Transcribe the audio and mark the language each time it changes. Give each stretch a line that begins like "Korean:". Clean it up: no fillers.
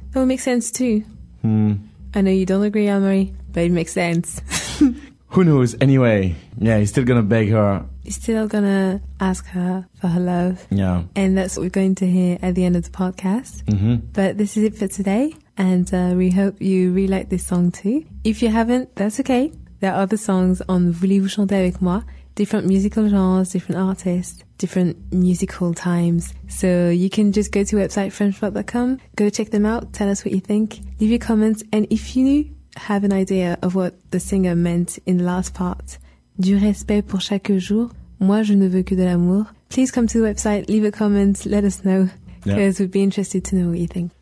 English: That would make sense too. I know you don't agree, Almarie, but it makes sense. Who knows? Anyway, yeah, he's still going to beg her. He's still going to ask her for her love. Yeah. And that's what we're going to hear at the end of the podcast. But this is it for today. And we hope you really like this song too. If you haven't, that's okay. There are other songs on Voulez-vous chanter avec moi? Different musical genres, different artists, different musical times. So you can just go to website frenchpop.com, go check them out, tell us what you think, leave your comments. And if you have an idea of what the singer meant in the last part,
French: du respect pour chaque jour, moi je ne veux que de l'amour,
English: please come to the website, leave a comment, let us know, because we'd be interested to know what you think.